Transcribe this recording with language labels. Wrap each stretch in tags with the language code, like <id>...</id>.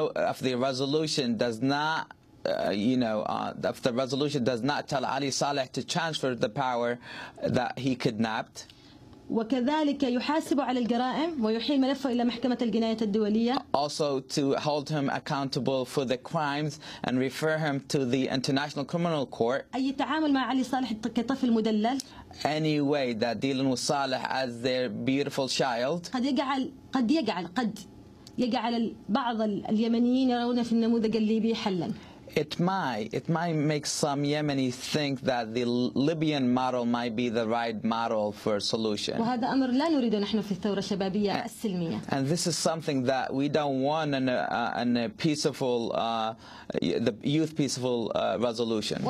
<en>If the resolution does not, if the resolution does not tell Ali Saleh to transfer the power that he kidnapped.</en> <ar>وكذلك يحاسب على الجرائم ويحيل ملفه إلى محكمة الجناية الدولية.</ar> <en>Also to hold him accountable for the crimes and refer him to the International Criminal Court.</en> <ar>أي تعامل مع علي صالح كطفل مدلل.</ar> <en>Any way that dealing with Saleh as their beautiful child.</en> <ar>قد يجعل بعض اليمنيين يرون في النموذج الليبي حلا.</ar> <en>It might make some Yemenis think that the Libyan model might be the right model for a solution.</en> <ar>وهذا أمر لا نريده نحن في الثورة الشبابية السلمية.</ar> <en>And this is something that we don't want in a peaceful, the youth peaceful resolution.</en>